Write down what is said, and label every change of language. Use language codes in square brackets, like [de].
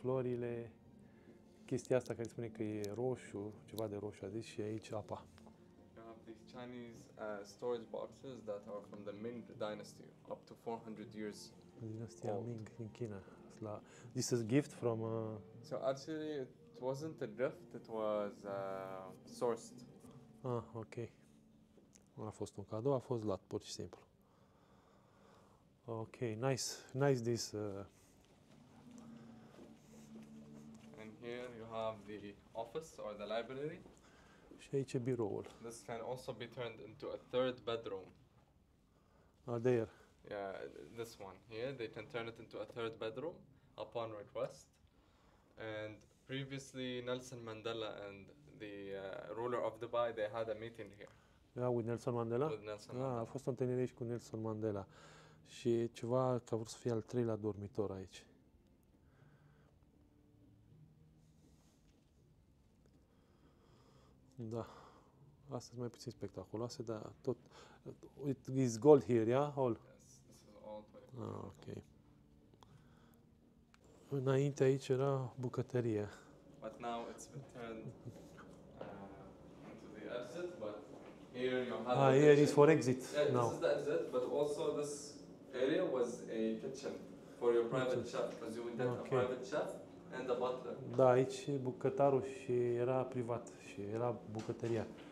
[ro] Florile, chestia asta care spune că e roșu, ceva de roșu a zis, și aici apa. [en] You have these Chinese storage boxes that are from the Ming Dynasty, up to 400 years. [ro] Dinastia Ming [en] in China. This is a gift from... So actually, it wasn't a gift, it was sourced. Ah, ok. [ro] A fost un cadou, a fost luat, pur și simplu. [en] Ok, nice, nice this. And here you have the office or the library. [ro] Și aici e biroul. [en] This can also be turned into a third bedroom. Ah, there. Yeah, this one here, they can turn it into a third bedroom upon request. And previously, Nelson Mandela and the ruler of Dubai, they had a meeting here. Yeah, with Nelson Mandela? With Nelson Mandela. [ro] Ah, a fost o întâlnire aici cu Nelson Mandela. Și ceva că a vrut să fie al treilea dormitor aici. Da. Asta e mai puțin spectaculoase, dar tot... [en] It is gold here, yeah? All. Ah, ok. [ro] Înainte aici era bucătărie. [en] But now it's been turned into the exit, but here you have ah, here is for exit. Yeah, now. This is the exit, but also this area was a kitchen for your private chef, because you would have okay. A private chef and a butler. [ro] Da, aici bucătarul și era privat și era bucătăria.